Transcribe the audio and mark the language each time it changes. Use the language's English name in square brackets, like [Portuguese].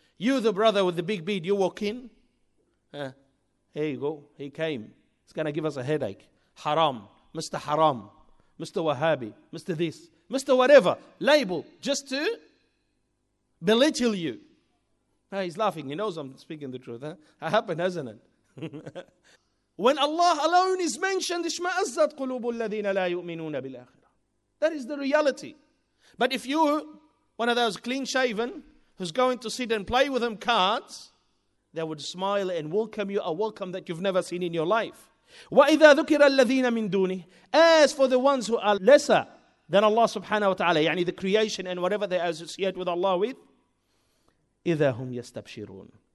[English] You, the brother with the big beard, you walk in. Here you go. He came. It's going to give us a headache. Haram. Mr. Haram, Mr. Wahhabi, Mr. This, Mr. Whatever, label, just to belittle you. Now he's laughing, he knows I'm speaking the truth. Huh? It happened, hasn't it? When Allah alone is mentioned, [Arabic] اشْمَأَزَّتْ قُلُوبُ الَّذِينَ لَا يُؤْمِنُونَ بِالْآخِرَةِ. [English] That is the reality. But if you, one of those clean-shaven, who's going to sit and play with them cards, they would smile and welcome you, a welcome that you've never seen in your life. [Arabic] وَإِذَا ذُكِرَ الَّذِينَ مِن دُونِهِ. [English] As for the ones who are lesser than Allah subhanahu wa ta'ala, [Arabic] يعني [English] the creation and whatever they associate with Allah with, [Arabic] إِذَا هُمْ يَسْتَبْشِرُونَ.